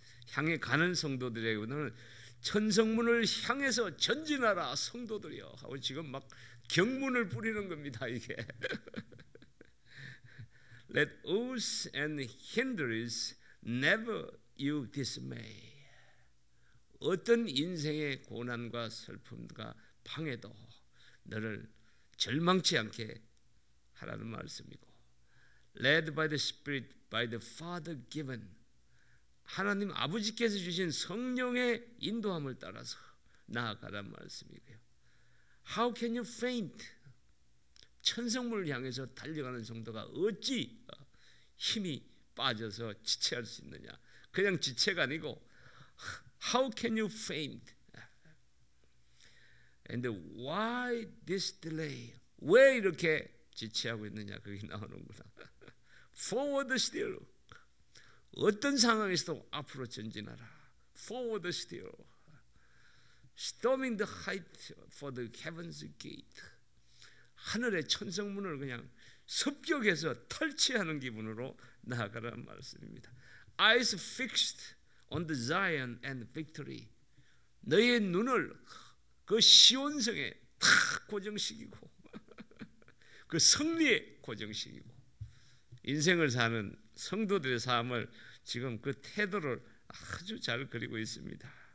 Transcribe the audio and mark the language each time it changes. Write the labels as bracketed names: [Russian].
[Korean] 향해 가는 성도들에게는 천성문을 향해서 전진하라, 성도들이여 하고 지금 막 경문을 뿌리는 겁니다, 이게. [English] Let oaths and hindrances never you dismay. [Korean] 어떤 인생의 고난과 슬픔과 방해도 너를 절망치 않게 하라는 말씀이고, [English] led by the spirit, by the father given. [Korean] 하나님 아버지께서 주신 성령의 인도함을 따라서 나아가라는 말씀이고요. [English] How can you faint? [Korean] 천성문을 향해서 달려가는 정도가 어찌 힘이 빠져서 지체할 수 있느냐? 그냥 지체가 아니고, [English] How can you faint? And why this delay? [Korean] 왜 이렇게 지체하고 있느냐? 그게 나오는구나. [English] Forward still. [Korean] 어떤 상황에서도 앞으로 전진하라. [English] Forward still. Storming the height for the heaven's gate. [Korean] 하늘의 천성문을 그냥 습격해서 터치하는 기분으로 나아가라는 말씀입니다. [English] Eyes fixed on the Zion and victory. [Korean] 너의 눈을 그 시온성에 탁 고정시키고 그 승리에 고정시키고 인생을 사는 성도들의 삶을 지금 그 태도를 아주 잘 그리고 있습니다.